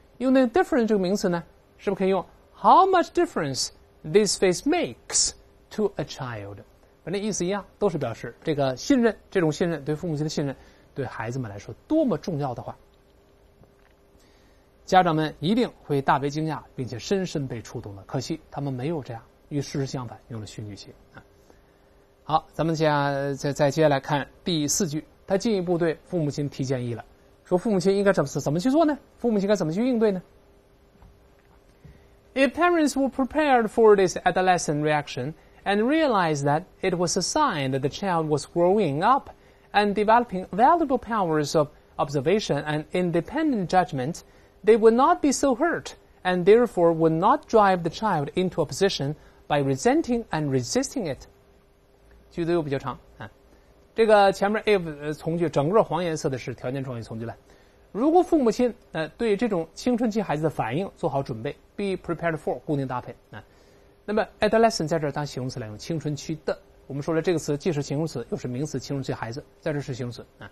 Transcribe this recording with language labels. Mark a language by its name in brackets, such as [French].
[Chinese] 用那个 difference 这个名词呢，是不是可以用 [English] How much difference this faith makes to a child， [Chinese] 把那意思一样，都是表示这个信任，这种信任对父母亲的信任对孩子们来说多么重要的话，家长们一定会大为惊讶并且深深被触动的。可惜他们没有这样，与事实相反，用了虚拟句。好，咱们再接下来看第四句，他进一步对父母亲提建议了，说父母亲应该怎么去做呢？父母亲该怎么去应对呢？ [English] If parents were prepared for this adolescent reaction and realized that it was a sign that the child was growing up and developing valuable powers of observation and independent judgment, they would not be so hurt and therefore would not drive the child into a position by resenting and resisting it. [Chinese] 句子又比较长，这个前面 if 从句整个黄颜色的是条件状语从句了。如果父母亲对这种青春期孩子的反应做好准备， [English] be prepared for [Chinese] 固定搭配，那么 adolescent 在这儿当形容词来用，青春期的，我们说了这个词既是形容词又是名词，青春期孩子在这是形容词。